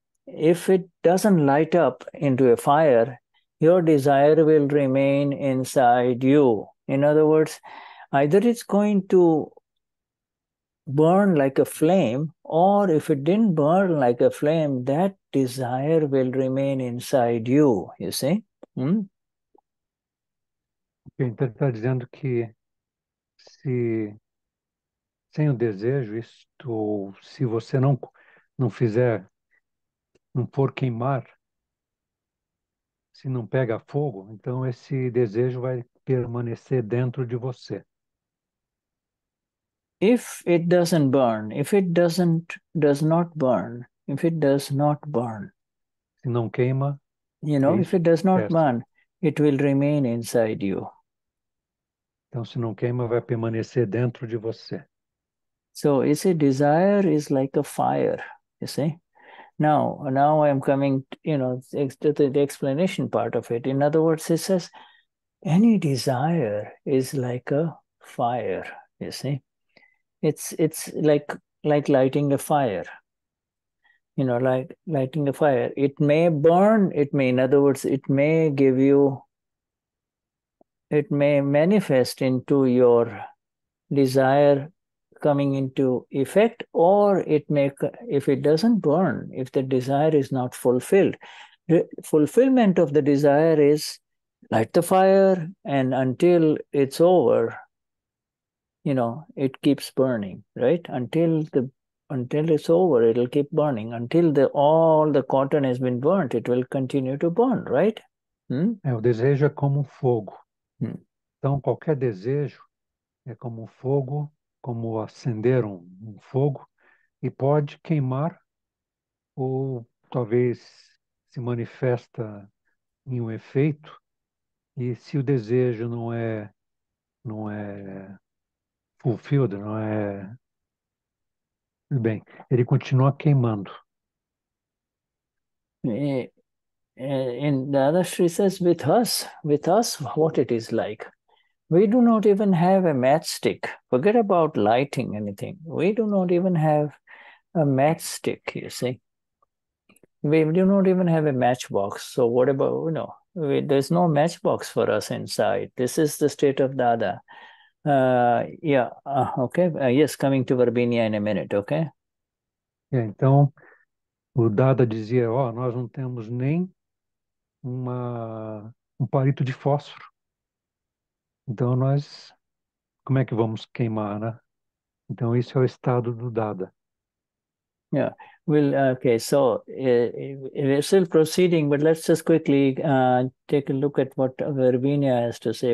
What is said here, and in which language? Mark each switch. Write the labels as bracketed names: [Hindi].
[English] If it doesn't light up into a fire, your desire will remain inside you. In other words, either it's going to burn like a flame, or if it didn't burn like a flame, that desire will remain inside you, you see? [Portuguese] Então ele está dizendo que se sem o desejo, isto, ou se você não fizer, não for queimar, se não pega fogo, então esse desejo vai permanecer dentro de você. [English] If it doesn't burn, if it doesn't, does not burn, if it does not burn, [Portuguese] se não queima, [English] you know, if it does not burn, it will remain inside you. [Portuguese] Então, se não queima, vai permanecer dentro de você. [English] So, you see, desire is like a fire, you see. Now I'm coming, you know, to the explanation part of it. In other words, it says, any desire is like a fire, you see. It's like lighting a fire, you know, like lighting a fire. It may burn, it may, in other words, it may give you, it may manifest into your desire coming into effect, or it may, if it doesn't burn, if the desire is not fulfilled, the fulfillment of the desire is light the fire, and until it's over, you know, it keeps burning, right? Until it's over, it'll keep burning. Until all the cotton has been burnt, it will continue to burn, right? [Portuguese] É, o desejo é como um fogo. Então, qualquer desejo é como um fogo, como acender um fogo, e pode queimar ou talvez se manifesta em um efeito, e se o desejo não é fulfilled, não é bem, ele continua queimando. [English] And Dadashri says, with us, what it is like. We do not even have a matchstick. Forget about lighting anything. We do not even have a matchstick, you see. We do not even have a matchbox. So what about, you know, there's no matchbox for us inside. This is the state of Dada. Yes, coming to Verbenia in a minute, okay? [Portuguese] Então, o Dada dizia, ó, nós não temos nem um palito de fósforo. Então, nós, como é que vamos queimar, né? Então, esse é o estado do Dada. [English] Yeah, well, okay, so we're still proceeding, but let's just quickly take a look at what Verbenia has to say.